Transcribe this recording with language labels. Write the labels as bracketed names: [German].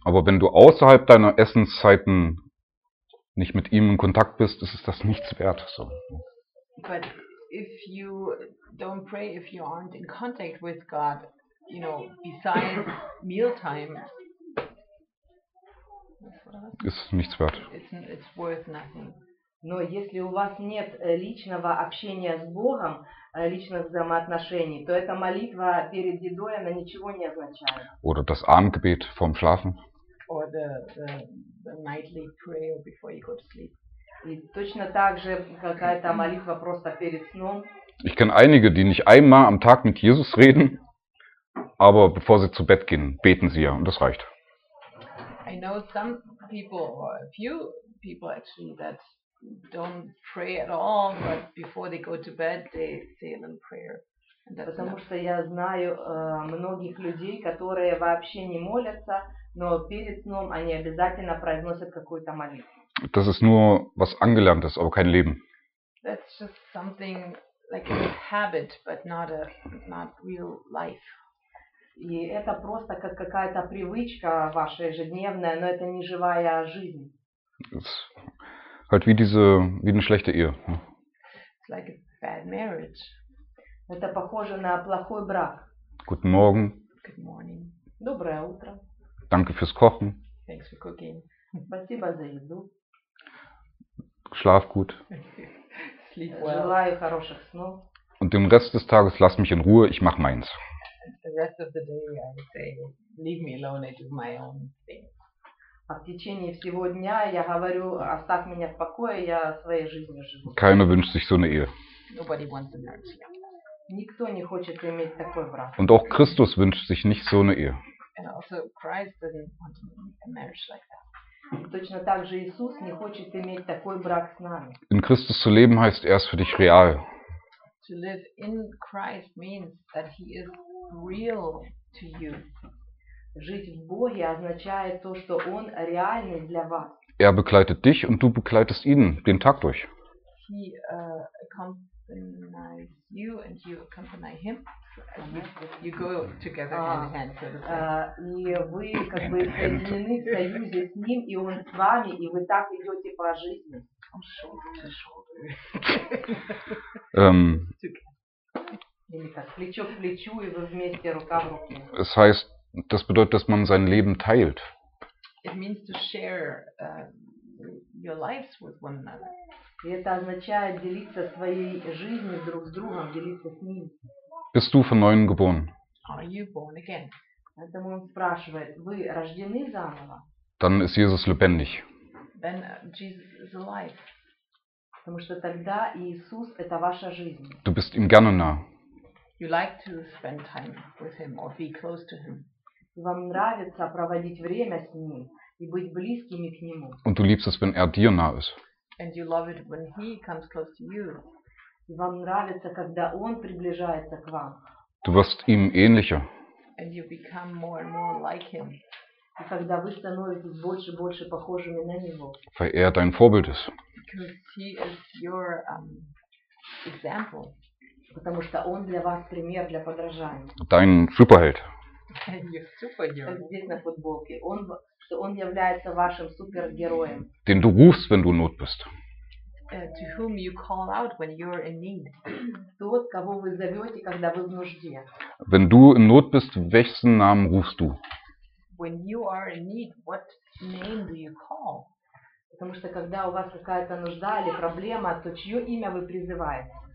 [German] Aber wenn du außerhalb deiner Essenszeiten nicht mit ihm in Kontakt bist, ist das nichts wert. So. [English] But if you don't pray, if you aren't in contact with God, you know, besides mealtime, [German] ist nichts wert. [English] It's worth nothing. [Russian] Но если у вас нет личного общения с Богом, личных взаимоотношений, то эта молитва перед едой, она ничего не означает. [German] Oder das Abendgebet vorm Schlafen. [English] Or the nightly prayer before you go to sleep. [Russian] И точно так же какая-то молитва просто перед сном. [German] Ich kenne einige, die nicht einmal am Tag mit Jesus reden, aber bevor sie zu Bett gehen, beten sie ja, und das reicht. [English] I know some people, or a few people actually, that don't pray at all, but before they go to bed, they say a little prayer. [Russian] Потому что я знаю многих людей, которые вообще не молятся, но перед сном они обязательно произносят какую-то молитву. [German] Das ist nur was Angelerntes, aber kein Leben. [English] That's just something like a habit, but not real life. [Russian] И это просто как какая-то привычка ваша ежедневная, но это не живая жизнь. [German] It's halt wie eine schlechte Ehe. [English] It's like a bad marriage. [Russian] Это похоже на плохой брак. [German] Guten Morgen. [English] Good morning. [Russian] Доброе утро. [German] Danke fürs Kochen. [English] Thanks for cooking. [Russian] Спасибо за еду. [German] Schlaf gut. [English] Sleep well. [Russian] Желаю хороших снов. [German] Und den Rest des Tages lass mich in Ruhe, ich mach meins. [English] The rest of the day, I say, leave me alone, I do my own thing. [Russian] А в течение всего дня я говорю, оставь меня в покое, я своей жизнью живу. [German] Keiner wünscht sich so eine Ehe. [English] Nobody wants a marriage. [Russian] Никто не хочет иметь такой брак. [German] Und auch Christus wünscht sich nicht so eine Ehe. [English] And also Christ doesn't want a marriage like that. [Russian] Точно так же Иисус не хочет иметь такой брак с нами. [German] In Christus zu leben heißt, er ist für dich real. [English] To live in Christ means that he is real to you. [Russian] Жить в Боге означает то, что он реальный для вас. [German] Er begleitet dich und du begleitest ihn den Tag durch. [English] He accompanies you and you accompany him. You go together hand in hand. [Russian] И вы как бы соединены в союзе с ним, и он с вами, и вы так идете по жизни. Плечо к плечу, и вы вместе, рука в руку. [German] Es heißt, das bedeutet, dass man sein Leben teilt. [English] It means to share your lives with one another. [Russian] И это означает делиться своей жизнью друг с другом, делиться с ним. [German] Bist du von Neuem geboren? [English] Are you born again? [Russian] Поэтому он спрашивает, вы рождены заново? [German] Dann ist Jesus lebendig. [English] Then Jesus is alive. [Russian] Потому что тогда Иисус – это ваша жизнь. [German] Du bist ihm gerne nah. [English] You like to spend time with him or be close to him. [Russian] Вам нравится проводить время с ним и быть близкими к нему. [German] Und du liebst es, wenn er dir nah ist. [English] And you love it when he comes close to you. [Russian] И вам нравится, когда он приближается к вам. [German] Du wirst ihm ähnlicher. [English] And you become more and more like him. [Russian] И когда вы становитесь больше и больше похожими на него. [German] Weil er dein Vorbild ist. [English] Because he is your example. [Russian] Потому что он для вас пример, для подражания. [German] Dein Superheld. [English] Your superhero. [Russian] Здесь на футболке. Он что он является вашим супергероем. [German] Den du rufst, wenn du in Not bist. [English] To whom you call out when you're in need. [Russian] Тот, кого вы зовете, когда вы в нужде. [German] Wenn du in Not bist, welchen Namen rufst du? [English] When you are in need, what name do you call? [Russian] Потому что когда у вас какая-то нужда или проблема, то чье имя вы призываете?